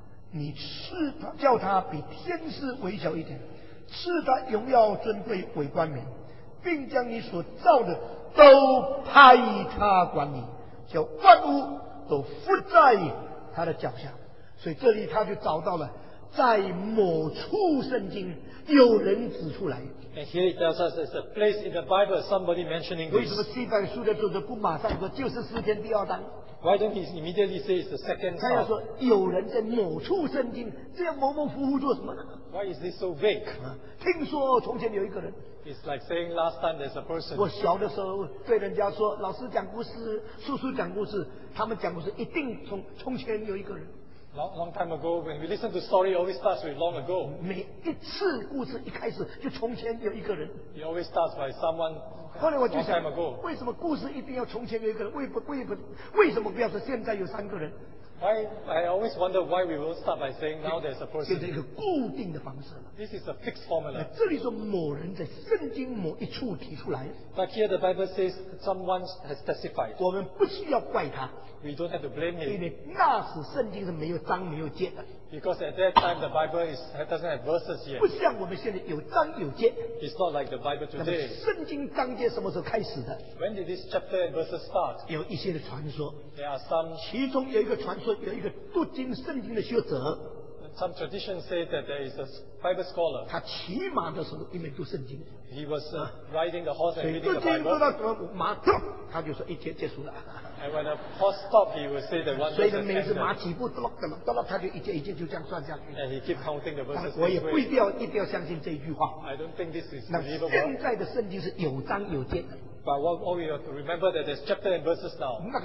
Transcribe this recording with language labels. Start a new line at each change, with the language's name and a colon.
Chinese: 你赐他，叫他比天使微小一点，赐他荣耀尊贵伟冠冕，并将你所造的都派他管理，叫万物 都附在他的脚下。所以这里他就找到了，在某处圣经有人指出来。
English: And here it tells us there's a place in the Bible somebody mentioning this.
Chinese: 为什么西番书的作者不马上说就是诗篇第二章？
English: Why don't he immediately say it's the second
Chinese: 他要说有人在某处圣经，这样模模糊糊做什么呢？
English: Why is this so vague?
Chinese: 听说从前有一个人。
English: It's like saying last time there's a person.
Chinese: 我小的时候对人家说，老师讲故事，叔叔讲故事，他们讲故事一定从前有一个人。
English: Long time ago, when we listen to story, it always starts with long ago.
Chinese: 每一次故事一开始就从前有一个人。
English: It always starts by someone.
Chinese: 后来我就想， 为什么故事一定要从前有一个人？为什么不要说现在有三个人？
English: I always wonder why we won't start by saying now there's a person.
Chinese: 就是一个固定的方式。
English: This is a fixed formula.
Chinese: 这里说某人在圣经某一处提出来。
English: But here the Bible says someone has testified.
Chinese: 我们不需要怪他。
English: We don't have to blame him.
Chinese: 因为那时圣经是没有章没有节的。
English: Because at that time the Bible doesn't have verses yet.
Chinese: 不像我们现在有章有节。
English: It's not like the Bible today.
Chinese: 圣经章节什么时候开始的？
English: When did this chapter and verses start?
Chinese: 有一些的传说。
English: There are some.
Chinese: 其中有一个传说，有一个读经圣经的学者。
English: Some traditions say that there is a Bible scholar.
Chinese: 他骑马的时候一面读圣经。
English: He was riding the horse and reading the Bible.
Chinese: 读经读到马，他就说一节结束了。
English: And when a horse stopped, he would say that one verse.
Chinese: 所以每次马起步，他就一节一节就这样算下去。
English: And he keep counting the verses.
Chinese: 我也不一定要相信这句话。
English: I don't think this is believable.
Chinese: 现在的圣经是有章有节。
English: But what we have to remember that there's chapter and verses now.